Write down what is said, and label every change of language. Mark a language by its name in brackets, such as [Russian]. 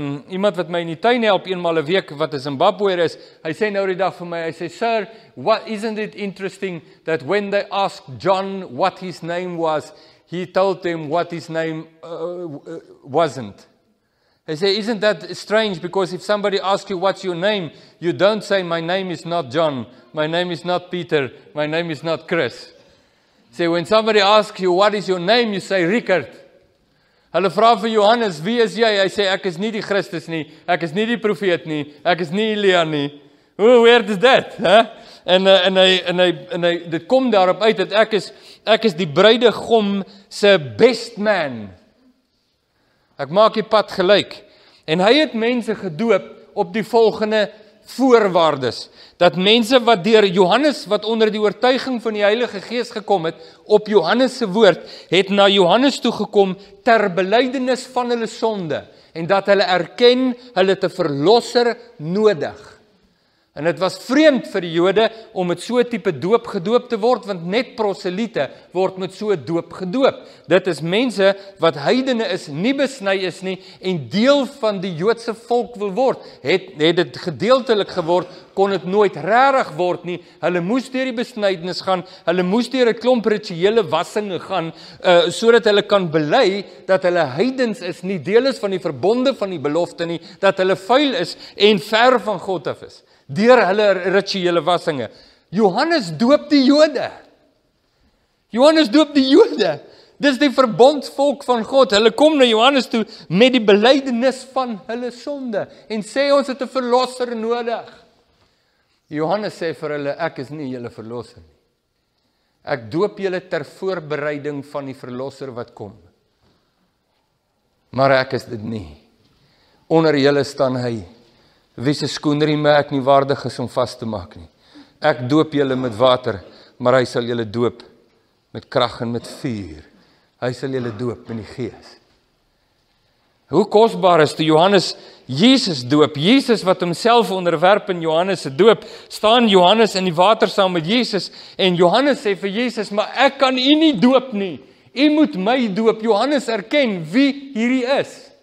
[Afrikaans] Iemand wat my in die tuin help eenmaal 'n week wat in Zimbabwe is, hy sê nou die dag vir my, hy sê, [English] sir, what, isn't it interesting that when they asked John what his name was, he told them what his name wasn't. He said, isn't that strange? Because if somebody asks you, what's your name? You don't say, my name is not John. My name is not Peter. My name is not Chris. See, when somebody asks you, what is your name? You say, Richard. [Afrikaans] Hulle vra vir Johannes, wie is jy? Hy sê, ek is nie die Christus nie. Ek is nie die profeet nie. Ek is nie Elia nie. Hoe weird is dat? En dit kom daarop uit, dat ek is die bruidegom se best man. Ek maak die pad gelyk. En hy het mense gedoop op die volgende voorwaardes. Dat mense wat deur Johannes, wat onder die oortuiging van die Heilige Gees gekom het, op Johannes se woord, het na Johannes toe gekom ter belydenis van hulle sonde. En dat hulle erken, hulle het 'n verlosser nodig. En het was vreemd vir die Jode om met so'n type doop gedoop te word, want net proselite word met so'n doop gedoop. Dit is mense wat heidene is, nie besny is nie, en deel van die Joodse volk wil word. Het dit gedeeltelik geword, kon het nooit rarig word nie. Hulle moes deur die besnydenis gaan, hulle moes deur 'n klomp rituele wassinge gaan, sodat hulle kan bely dat hulle heidens is, nie deel is van die verbonde van die belofte nie, dat hulle vuil is en ver van God af is. Deur hulle rituele wassinge. Johannes doop die Jode. Johannes doop die Jode. Dis die verbondsvolk van God. Hulle kom na Johannes toe met die belydenis van hulle sonde. En sê ons het 'n verlosser nodig. Johannes sê vir hulle, ek is nie julle verlosser nie. Ek doop julle ter voorbereiding van die verlosser wat kom. Maar ek is dit nie. Onder julle staan hy. Wie se skoenrieme ek nie waardig is om vas te maak nie. Ek doop julle met water, maar hy sal julle doop met krag en met vuur. Hy sal julle doop in die gees. Hoe kosbaar is die Johannes Jesus doop. Jesus wat homself onderwerp in Johannes se doop, staan Johannes in die water saam met Jesus en Johannes sê vir Jesus, maar ek kan u nie doop nie. U moet my doop. Johannes erken wie hierdie is.